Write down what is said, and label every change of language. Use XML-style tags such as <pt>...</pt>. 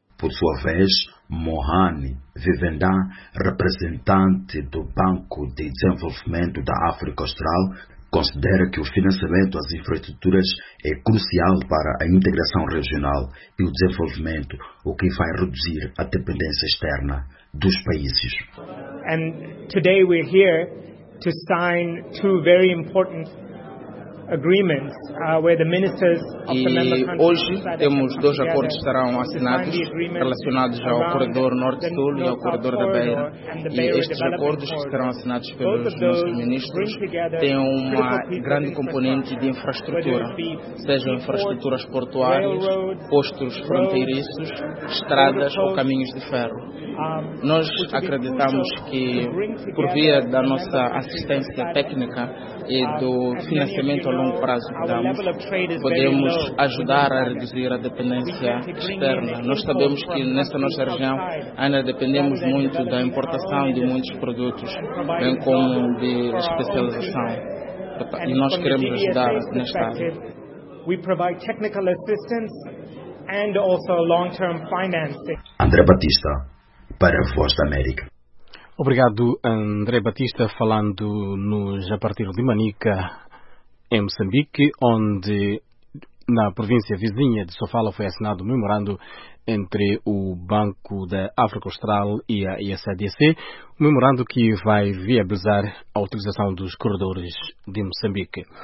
<pt>Por sua vez, Mohane Vivendá, representante do Banco de Desenvolvimento da África Austral, considera que o financiamento às infraestruturas é crucial para a integração regional e o desenvolvimento, o que vai reduzir a dependência externa dos países.</pt> <en>And today we're here to sign two very important agreements where the ministers of the member countries.</en> <pt>E hoje temos dois acordos que estarão assinados relacionados ao corredor norte-sul e ao corredor da Beira. E estes acordos que estarão assinados pelos nossos ministros têm uma grande componente de infraestrutura, sejam infraestruturas portuárias, postos fronteiriços, estradas ou caminhos de ferro. Nós acreditamos que, por via da nossa assistência técnica e do financiamento a longo prazo que damos, podemos ajudar a reduzir a dependência externa. Nós sabemos que nesta nossa região ainda dependemos muito da importação de muitos produtos, bem como de especialização. E nós queremos ajudar nesta área.</pt> <en>We provide technical assistance and also long-term financing.</en> <pt>André Batista, para a Voz da América. Obrigado, André Batista, falando-nos a partir de Manica, em Moçambique, onde na província vizinha de Sofala foi assinado um memorando entre o Banco da África Austral e a ISADC, um memorando que vai viabilizar a utilização dos corredores de Moçambique.</pt>